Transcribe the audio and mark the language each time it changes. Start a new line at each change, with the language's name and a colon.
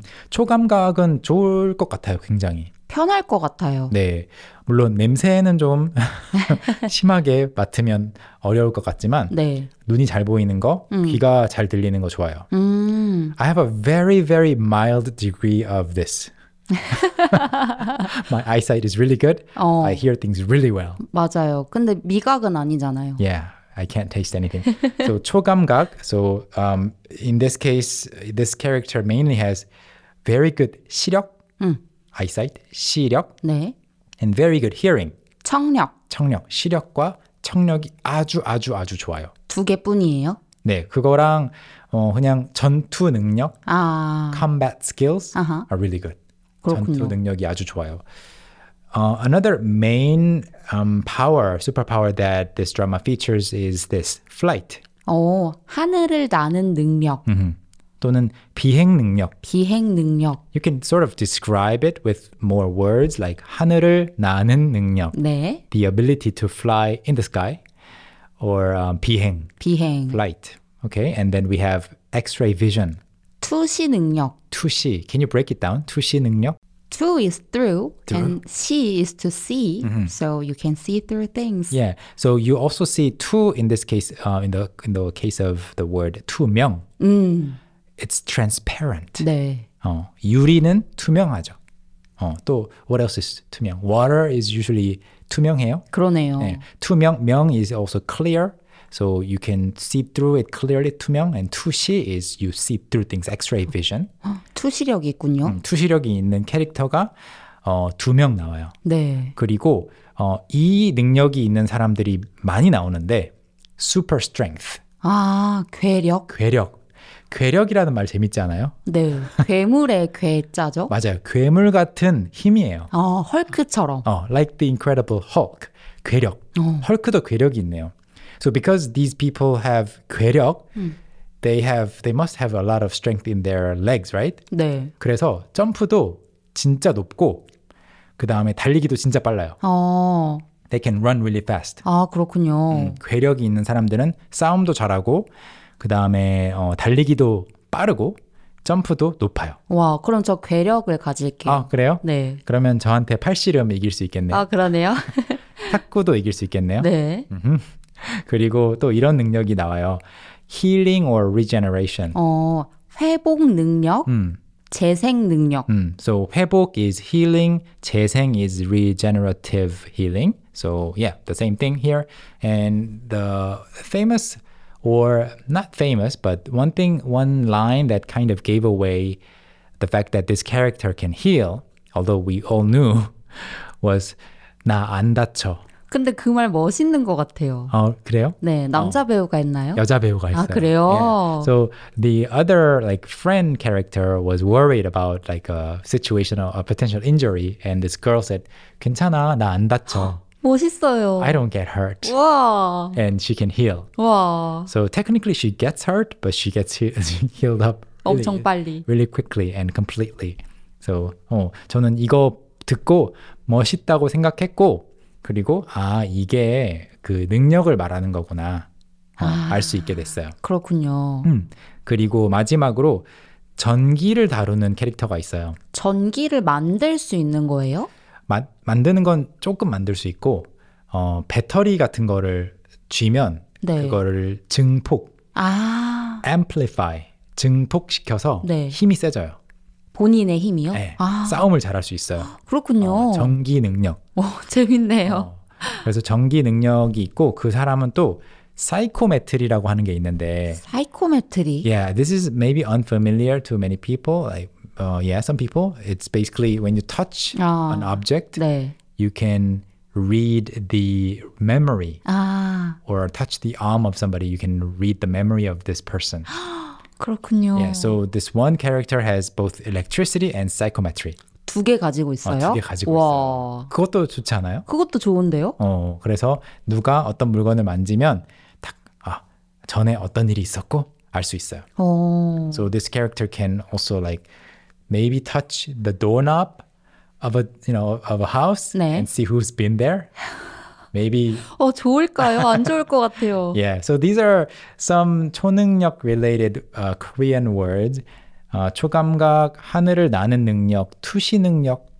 Korean: 초감각은 좋을 것 같아요, 굉장히. 편할 것 같아요. 네. 물론 냄새는 좀 심하게 맡으면 어려울 것 같지만 네. 눈이 잘 보이는 거, 귀가 잘 들리는 거 좋아요.
English: I have a very, very mild degree of this. My eyesight is really good.
Korean: 어.
English: I hear things really well.
Korean: 맞아요. 근데 미각은 아니잖아요.
English: Yeah. I can't taste anything. So 초감각. So in this case, this character mainly has very good 시력, eyesight, 시력,
Korean: 네.
English: and very good hearing.
Korean: 청력. 청력. 시력과 청력이 아주 아주 아주 좋아요. 두 개뿐이에요? 네, 그거랑 그냥 전투 능력, 아.
English: combat skills uh-huh. are really good.
Korean: 그렇군요. 전투 능력이 아주 좋아요.
English: Another main power, superpower that this drama features is this flight.
Korean: 오, 하늘을 나는 능력. Mm-hmm. 또는 비행 능력. 비행 능력.
English: You can sort of describe it with more words like
Korean: 하늘을 나는 능력. 네.
English: The ability to fly in the sky or 비행.
Korean: 비행.
English: Flight. Okay, and then we have X-ray vision.
Korean: 투시 능력.
English: 투시. Can you break it down? 투시 능력. To is through, and see is to see, mm-hmm. so you can see through things. Yeah, so you also see to in this case, in the case of the word 투명. It's transparent.
Korean: 네. 유리는 투명하죠. 또
English: what else is
Korean: 투명?
English: Water is usually 투명해요.
Korean: 그러네요. 네.
English: 투명, 명 is also clear, so you can see through it clearly, 투명, and 투시 is you see through things, X-ray vision.
Korean: 투시력이 있군요. 투시력이 있는 캐릭터가 두 명 나와요. 네. 그리고 이 능력이 있는 사람들이 많이 나오는데 superstrength. 아, 괴력? 괴력. 괴력이라는 말 재밌지 않아요? 네. 괴물의 괴짜죠? 맞아요. 괴물 같은 힘이에요. 헐크처럼.
English: Like the Incredible Hulk. 괴력.
Korean: 헐크도 괴력이 있네요.
English: So because these people have 괴력, they must have a lot of strength in their legs, right?
Korean: 네. 그래서 점프도 진짜 높고, 그 다음에 달리기도 진짜 빨라요.
English: They can run really fast.
Korean: 아, 그렇군요. 괴력이 있는 사람들은 싸움도 잘하고, 그 다음에 달리기도 빠르고, 점프도 높아요. 와, 그럼 저 괴력을 가질게요. 아, 그래요? 네. 그러면 저한테 팔씨름 이길 수 있겠네요. 아, 그러네요. 탁구도 이길 수 있겠네요. 네. 그리고 또 이런 능력이 나와요.
English: Healing or regeneration.
Korean: 회복 능력, 재생 능력.
English: So 회복 is healing, 재생 is regenerative healing. So yeah, the same thing here. And the famous, or not famous, but one thing, one line that kind of gave away the fact that this character can heal, although we all knew, was
Korean: 나 안 다쳐. 근데 그 말 멋있는 것 같아요. 그래요? 네, 남자 배우가 했나요? 여자 배우가 했어요. 아, 그래요?
English: Yeah. So the other like friend character was worried about like a situation or a potential injury and this girl said,
Korean: 괜찮아, 나 안 다쳐. 멋있어요.
English: I don't get hurt.
Korean: 와.
English: And she can heal.
Korean: 와.
English: So technically she gets hurt, but she gets healed up really,
Korean: 엄청 빨리.
English: Really quickly and completely.
Korean: So 저는 이거 듣고 멋있다고 생각했고 그리고 아 이게 그 능력을 말하는 거구나 알 수 있게 됐어요. 그렇군요. 그리고 마지막으로 전기를 다루는 캐릭터가 있어요. 전기를 만들 수 있는 거예요? 만드는 건 조금 만들 수 있고 배터리 같은 거를 쥐면 네. 그거를 증폭, amplify, 증폭시켜서 네. 힘이 세져요. 본인의 힘이요? 네. 싸움을 잘할 수 있어요. 그렇군요. 전기 능력. 오, 재밌네요. 그래서 전기 능력이 있고 그 사람은 또 사이코메트리라고 하는 게 있는데 사이코메트리?
English: Yeah, this is maybe unfamiliar to many people. Like, yeah, some people. It's basically when you touch an object,
Korean: 네.
English: you can read the memory.
Korean: 아.
English: Or touch the arm of somebody, you can read the memory of this person.
Korean: 그렇군요.
English: Yeah, so this one character has both electricity and psychometry.
Korean: 두 개 가지고 있어요? 두 개 가지고 와. 있어요. 그것도 좋지 않아요? 그것도 좋은데요? 그래서 누가 어떤 물건을 만지면 딱 전에 어떤 일이 있었고 알 수 있어요.
English: So this character can also like maybe touch the doorknob of a house
Korean: 네.
English: and see who's been there. Maybe.
Korean: 좋을까요? 안 좋을 것 같아요.
English: Yeah. So these are some 초능력 related Korean words.
Korean: 초감각, 하늘을 나는 능력, 투시 능력,